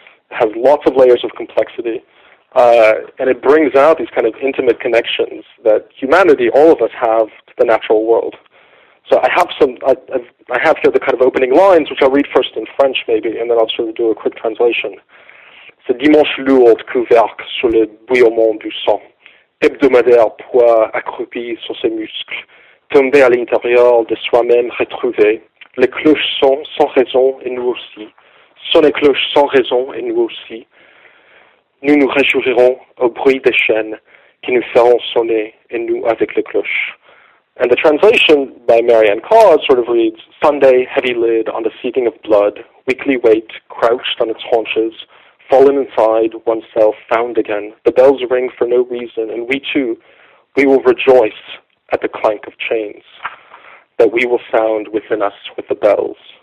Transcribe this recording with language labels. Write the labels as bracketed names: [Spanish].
[English] It has lots of layers of complexity, and it brings out these kind of intimate connections that humanity, all of us, have to the natural world. So I have I have here the kind of opening lines, which I'll read first in French, maybe, and then I'll sort of do a quick translation. [French] Ce dimanche lourd couvercle sur le bouillonnement du sang, hebdomadaire poids accroupi sur ses muscles, tombé à l'intérieur de soi-même retrouvé, les cloches sont sans raison et nous aussi, sont les cloches sans raison et nous aussi, nous nous réjouirons au bruit des chaînes qui nous feront sonner et nous avec les cloches. [English] And the translation by Marianne Carr sort of reads, Sunday, heavy lid on the seating of blood, weekly weight crouched on its haunches, fallen inside, oneself found again. The bells ring for no reason, and we too, we will rejoice at the clank of chains that we will sound within us with the bells.